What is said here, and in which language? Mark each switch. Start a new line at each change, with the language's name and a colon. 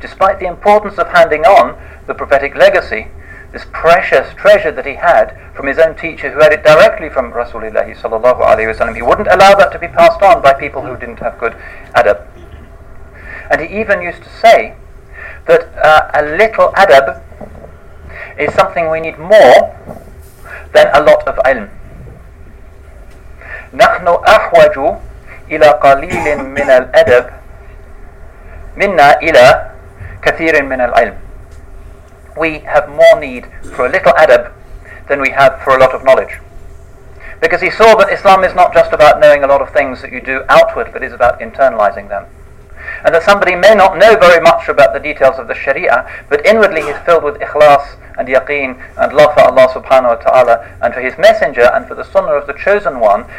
English: Despite the importance of handing on the prophetic legacy, this precious treasure that he had from his own teacher, who had it directly from Rasulullah sallallahu alayhi wa sallam, he wouldn't allow that to be passed on by people who didn't have good adab. And he even used to say that a little adab is something we need more than a lot of ilm.
Arabic: نحن أحوج إلى قليل من الأدب منا إلى كثير من العلم.
English: We have more need for a little adab than we have for a lot of knowledge. Because he saw that Islam is not just about knowing a lot of things that you do outward, but is about internalizing them. And that somebody may not know very much about the details of the Sharia, but inwardly he's filled with ikhlas and yaqeen and love for Allah subhanahu wa ta'ala and for his messenger and for the sunnah of the chosen one.